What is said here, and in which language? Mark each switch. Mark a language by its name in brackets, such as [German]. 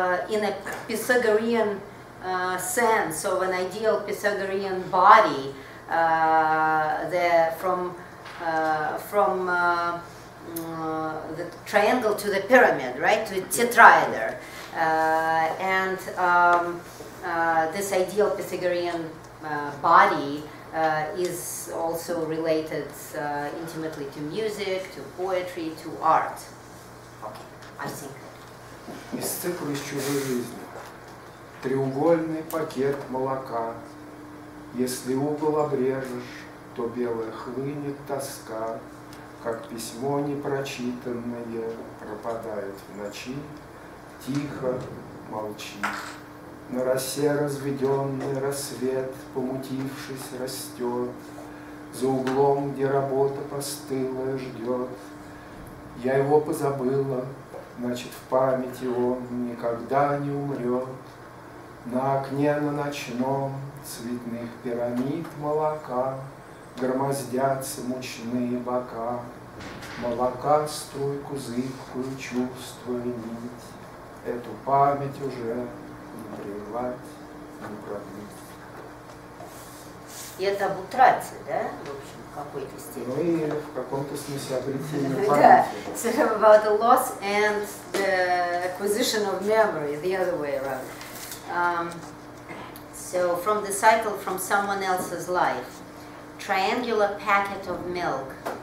[English] in a Pythagorean sense of an ideal Pythagorean body, the triangle to the pyramid, right, to tetrahedron, this ideal Pythagorean body is also related intimately to music, to poetry, to art. Okay, I think. [Russian] Из цикла еще жизни. Треугольный пакет молока. Если угол обрежешь, то белая хлынет тоска, как письмо непрочитанное пропадает в ночи, тихо молчит. На росе разведенный рассвет, помутившись, растет, за углом, где работа постылая ждет. Я его позабыла, значит, в памяти он никогда не умрет. На окне на ночном цветных пирамид молока громоздятся мучные бока, молока струйку зыбкую чувствуя нить, эту память уже не прервать, не пробить. И это об утрате, да? [English] So about the loss and the acquisition of memory, the other way around. So from the cycle from someone else's life, triangular packet of milk.